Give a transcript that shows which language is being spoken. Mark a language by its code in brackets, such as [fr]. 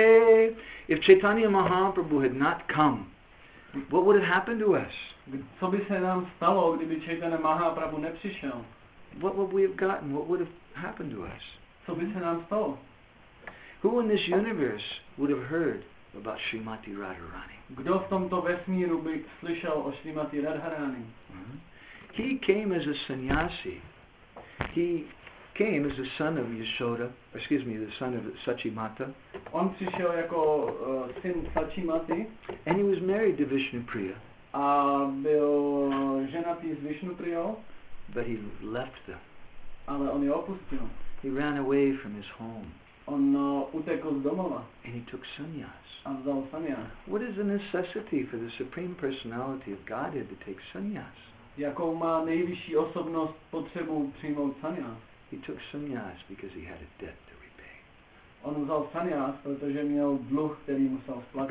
[en] If Chaitanya Mahaprabhu had not come, what would have happened to us? [cs] Co by se nám stalo, kdyby Chaitanya Mahaprabhu nepřišel? [en] What would we have gotten? What would have happened to us? [cs] Co by se nám stalo? [en] Who in this universe would have heard about Srimati Radharani? [cs] Kdo v tomto vesmíru by slyšel o Srimati Radharani? [en] He came as a sannyasi. He came as the son of Yashoda, excuse me, the son of Sachimata. [cs] On přišel jako syn Sachimati. [en] And he was married to Vishnupriya. [cs] A byl ženatý s Vishnupriyou. [en] But he left them. [cs] Ale on je opustil. [en] He ran away from his home. [cs] On utekl z domova. [en] And he took sannyas. [cs] A vzal sannyas. [en] What is the necessity for the Supreme Personality of Godhead to take sannyas? [cs] Jakou má nejvyšší osobnost potřebu přijmout sannyas? [en] He took sannyas because he had a debt to repay. [cs] On vzal sannyas, protože měl dluh, který musel splatit.